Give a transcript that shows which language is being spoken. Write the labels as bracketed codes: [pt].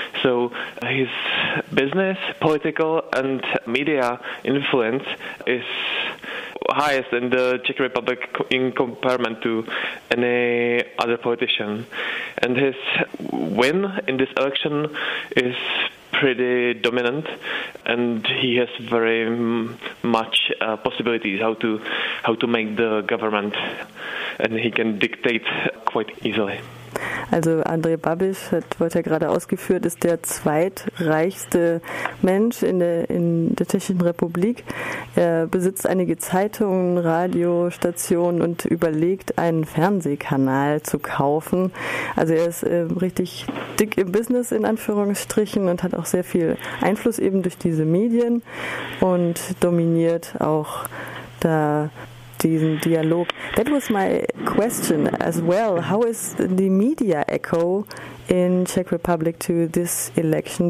[en] So his business, political and media influence is highest in the Czech Republic in comparison to any other politician. And his win in this election is pretty dominant, and he has very much possibilities how to make the government, and he can dictate quite easily. [de] Also Andrej Babiš, hat wird ja gerade ausgeführt, ist der zweitreichste Mensch in der Tschechischen Republik. Er besitzt einige Zeitungen, Radiostationen und überlegt, einen Fernsehkanal zu kaufen. Also er ist richtig dick im Business, in Anführungsstrichen, und hat auch sehr viel Einfluss eben durch diese Medien und dominiert auch da diesen Dialog. [en] That was my question as well. How is the media echo in Czech Republic to this election?